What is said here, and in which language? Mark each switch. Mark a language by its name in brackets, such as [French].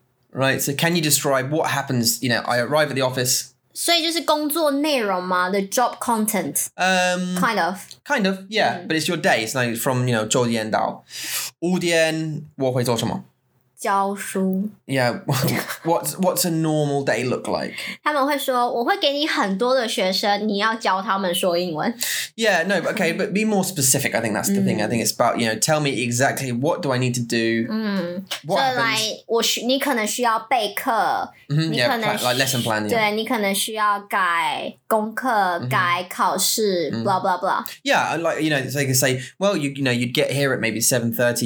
[English] Right, so can you describe what happens, you know, I arrive at the office. [Chinese] 所以就是工作内容吗? [English] The job content? Kind of, yeah.、Mm. But it's your day. It's like from, you know, [Chinese] 昨天到。五点我会做什么? 教书。 [English] Yeah, what's a normal day look like? [Chinese] 他们会说，我会给你很多的学生，你要教他们说英文。 [English] Yeah, no, okay, but be more specific. I think that's the thing. I think it's about, you know, tell me exactly what do I need to do. What happens? So like, [Chinese] 我需你可能需要备课， [English] like lesson plan. [Chinese] 对，你可能需要改功课，改考试， [English] blah blah blah. Yeah, like you know, so you can say, well, you know, you'd get here at maybe 7:30.